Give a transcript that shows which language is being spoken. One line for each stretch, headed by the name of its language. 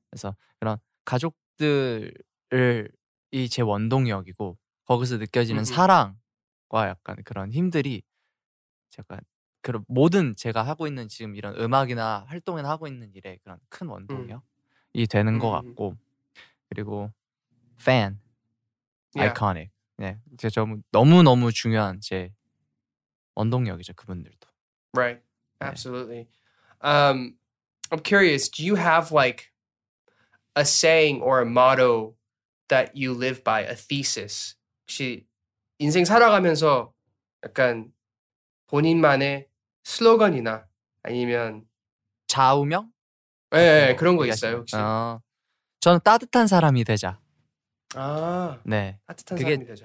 Korean: 그래서 그런 가족들이 제 원동력이고 거기서 느껴지는 사랑과 약간 그런 힘들이 약간 그런 모든 제가 하고 있는 지금 이런 음악이나 활동이나 하고 있는 일에 그런 큰 원동력이 되는 것 같고 그리고 팬. Yeah. iKON이. 네. 제 너무 너무 중요한 제 원동력이죠, 그분들도.
English: Right. Absolutely. 네. I'm curious. Do you have like a saying or a motto that you live by, a thesis?
Korean: 혹시 인생 살아가면서 약간 본인만의 슬로건이나 아니면 좌우명? 예, 네, 그런 거 있어요, 혹시? 저는 따뜻한 사람이 되자. 아, 네. 따뜻한 그게 사람이 되죠.